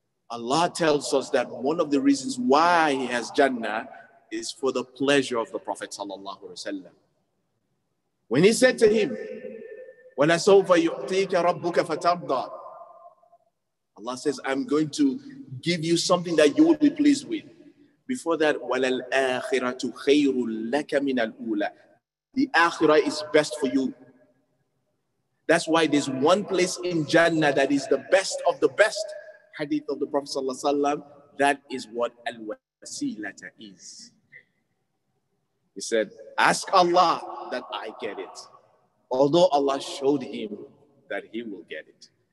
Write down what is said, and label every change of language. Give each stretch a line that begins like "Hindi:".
English: Allah tells us that one of the reasons why he has Jannah is for the pleasure of the Prophet sallallahu alaihi wasallam. When he said to him,
Arabic: وَلَسَوْفَ يُعْطِيكَ رَبُّكَ فَتَرْضَى.
English: Allah says, I'm going to give you something that you will be pleased with. Before that,
Arabic: وَلَلْآخِرَةُ خَيْرٌ لَكَ مِنَ الْأُولَى.
English: The Akhirah is best for you. That's why there's one place in Jannah that is the best of the best. Hadith of the Prophet sallallahu alaihi wasallam, that is what al-wasilata is. He said, ask Allah that I get it. Although Allah showed him that he will get it.